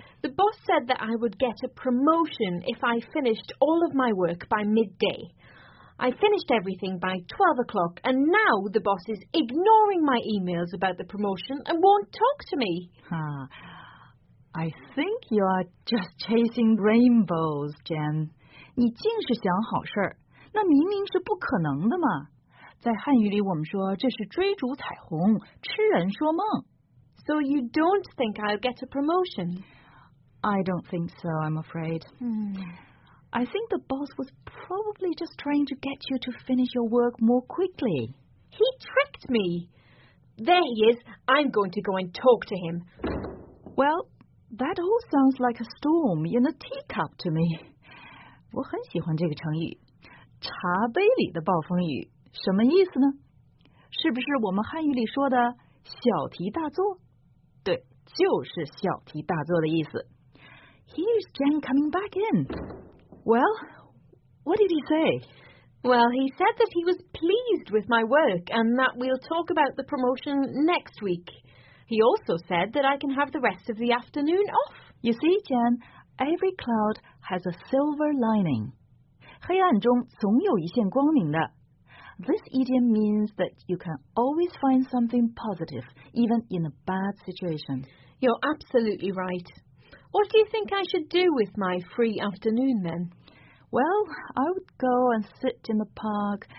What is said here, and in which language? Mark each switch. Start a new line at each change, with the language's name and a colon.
English: The boss said that I would get a promotion if I finished all of my work by midday. I finished everything by 12 o'clock, and now the boss is ignoring my emails about the promotion and won't talk to me. I think you are just chasing rainbows, Jen.
Chinese: 你尽是想好事儿。那明明是不可能的嘛，在汉语里我们说这是追逐彩虹，痴人说梦。
English: So you don't think I'll get a promotion? I don't think so, I'm afraid. I think the boss was probably just trying to get you to finish your work more quickly. He tricked me. There he is. I'm going to go and talk to him. Well, that all sounds like a storm in a teacup to me.
Chinese: 我很喜欢这个成语。茶杯里的暴风雨什么意思呢？是不是我们汉语里说的小题大做？对，就是小题大做的意思。
English: Here's Jen coming back in. Well, what did he say? Well, he said that he was pleased with my work and that we'll talk about the promotion next week. He also said that I can have the rest of the afternoon off. You see, Jen, every cloud has a silver lining.
Chinese: 黑暗中总有一线光明的。
English: This idiom means that you can always find something positive, even in a bad situation. You're absolutely right. What do you think I should do with my free afternoon then? Well, I would go and sit in the park.